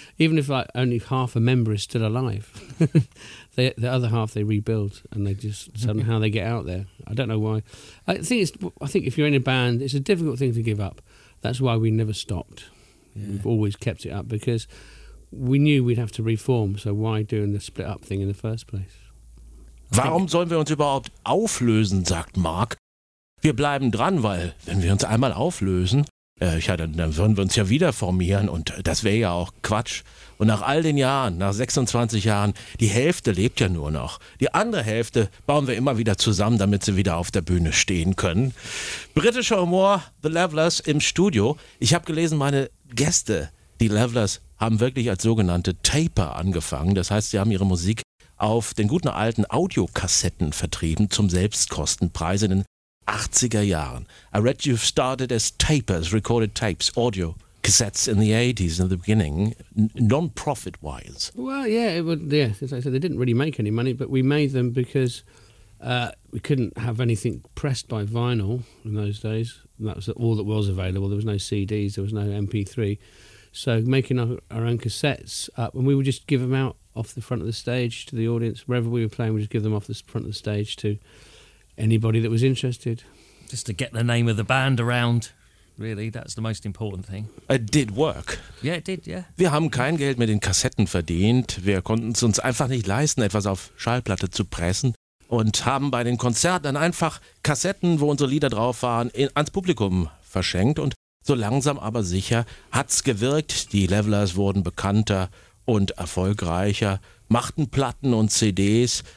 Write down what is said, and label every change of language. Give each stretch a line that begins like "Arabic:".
English: Even if like only half a member is still alive, the other half they rebuild and they just somehow they get out there. I don't know why. I think if you're in a band, it's a difficult thing to give up. That's why we never stopped. Yeah. We've always kept it up because we knew we'd have to reform. So why doing the split up thing in the first place?
German: Warum sollen wir uns überhaupt auflösen? Sagt Mark. Wir bleiben dran, weil wenn wir uns einmal auflösen, dann würden wir uns ja wieder formieren und das wäre ja auch Quatsch. Und nach all den Jahren, nach 26 Jahren, die Hälfte lebt ja nur noch. Die andere Hälfte bauen wir immer wieder zusammen, damit sie wieder auf der Bühne stehen können. Britischer Humor, The Levelers im Studio. Ich habe gelesen, meine Gäste, die Levelers, haben wirklich als sogenannte Taper angefangen. Das heißt, sie haben ihre Musik auf den guten alten Audiokassetten vertrieben zum Selbstkostenpreis in den 80er Jahren.
English: I read you've started as tapers, recorded tapes, audio cassettes in the 80s, in the beginning, non-profit wise. Well, yeah, as I said, they didn't really make any money, but we made them because we couldn't have anything pressed by vinyl in those days. And that was all that was available. There was no CDs, there was no MP3. So making our own cassettes up, and we would just give them out off the front of the stage to the audience. Wherever we were playing, we'd just give them off the front of the stage to anybody that was interested. Just to get the name of the band around, really, that's the most important thing. It did work. Yeah, it did, yeah.
German: Wir haben kein Geld mit den Kassetten verdient. Wir konnten es uns einfach nicht leisten, etwas auf Schallplatte zu pressen. Und haben bei den Konzerten dann einfach Kassetten, wo unsere Lieder drauf waren, ans Publikum verschenkt. Und so langsam aber sicher hat's gewirkt. Die Levelers wurden bekannter und erfolgreicher, machten Platten und CDs.